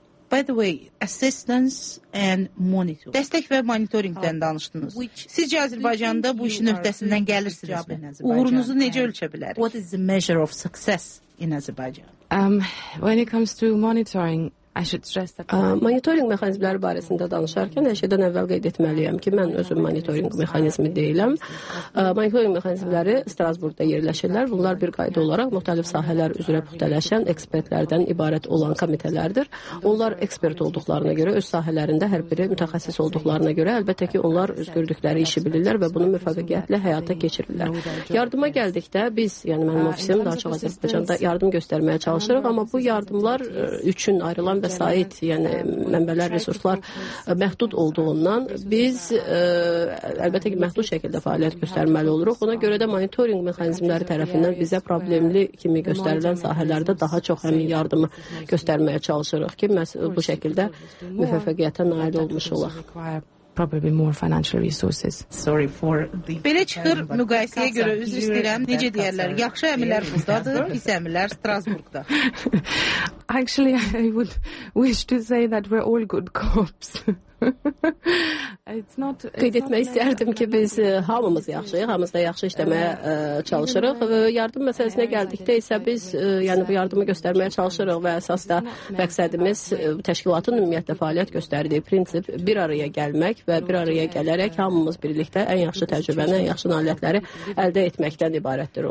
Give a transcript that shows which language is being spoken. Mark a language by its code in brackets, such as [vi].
[en] By the way, assistance and monitoring. [az] Dəstək və monitorinqdən danışdınız. Sizcə Azərbaycanda bu işin öhdəsindən gəlirsiniz mi? Uğurunuzu necə ölçə bilərik? [en] What is the measure of success in Azerbaijan? When it comes to monitoring, I should stress that [az] monitoring mexanizmləri barəsində danışarkən hər şeydən əvvəl qeyd etməliyəm ki, mən özüm monitoring mexanizmi deyiləm. Monitoring mexanizmləri Strasburqda yerləşirlər. Bunlar bir qayda olaraq müxtəlif sahələr üzrə müxtələşən ekspertlərdən ibarət olan komitələrdir. Onlar ekspert olduqlarına görə, öz sahələrində hər biri mütəxəssis olduqlarına görə, əlbəttə ki, onlar öz gördükləri işi bilirlər və bunu müvəffəqiyyətlə həyata keçirirlər. Yardıma gəldikdə biz, yəni mənim ofisim daha çox Azərbaycanda yardım göstərməyə çalışırıq, amma bu yardımlar üçün ayrılır. Və sait, yəni mənbələr, resurslar məhdud olduğundan biz əlbəttə ki, məhdud şəkildə fəaliyyət göstərməli oluruq. Ona görə də monitoring mexanizmləri tərəfindən bizə problemli kimi göstərilən sahələrdə daha çox həmin yardımı göstərməyə çalışırıq ki, məhz bu şəkildə müvəffəqiyyətə nail olmuş olaq. [en] probably more financial resources. Sorry for the [az] belə çıxır müqayisəyə görə üzr istəyirəm. Necə deyirlər? Yaxşı əmirlər burdadır, pis əmirlər Strasburqda. [en] Actually, I would wish to say that we're all good cops. [az] Qeyd etmək istəyərdim ki, biz hamımız yaxşıyıq, hamımız da yaxşı işləməyə çalışırıq. Yardım məsələsinə gəldikdə isə biz yəni bu yardımı göstərməyə çalışırıq və əsas da məqsədimiz təşkilatın ümumiyyətlə fəaliyyət göstərdiyi prinsip bir araya gəlmək və bir araya gələrək hamımız birlikdə ən yaxşı təcrübəni, ən yaxşı nailiyyətləri əldə etməkdən ibarətdir.